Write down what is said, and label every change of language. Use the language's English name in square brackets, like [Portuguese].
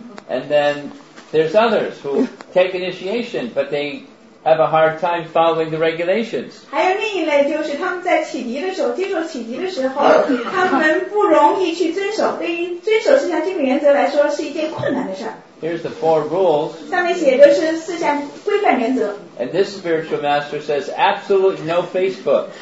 [English] And then there's others who take initiation, but they have a hard time following the regulations. [Chinese] 还有另一类就是他们在启迪的时候，接受启迪的时候，他们不容易去遵守。对于遵守四项基本原则来说，是一件困难的事儿。 [English] Here's the four rules. [Chinese] 上面写的是四项规范原则。 [English] And this spiritual master says absolutely no Facebook.